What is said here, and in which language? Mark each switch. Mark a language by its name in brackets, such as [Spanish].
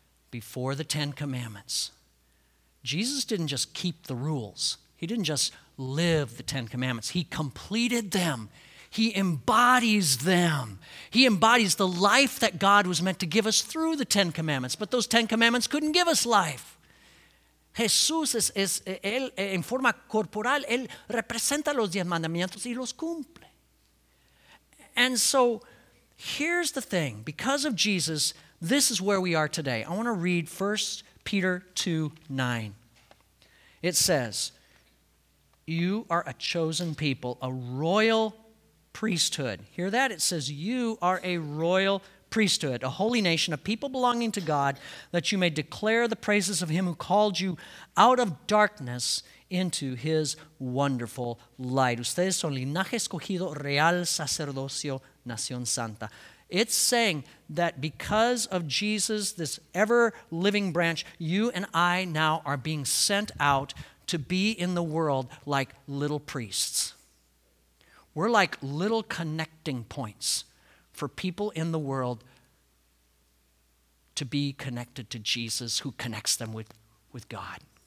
[English] Before the Ten Commandments, Jesus didn't just keep the rules. He didn't just live the Ten Commandments. He completed them. He embodies them. He embodies the life that God was meant to give us through the Ten Commandments. But those Ten Commandments couldn't give us life. [Spanish] Jesús es él en forma corporal. Él representa los diez mandamientos y los cumple. [English] And so here's the thing. Because of Jesus, this is where we are today. I want to read 1 Peter 2:9. It says, you are a chosen people, a royal priesthood. Hear that? It says, you are a royal priesthood, a holy nation, a people belonging to God, that you may declare the praises of him who called you out of darkness into his wonderful light. [Spanish] Ustedes son linaje escogido, real sacerdocio, nación santa. [English] It's saying that because of Jesus, this ever-living branch, you and I now are being sent out to be in the world like little priests. We're like little connecting points for people in the world to be connected to Jesus, who connects them with God.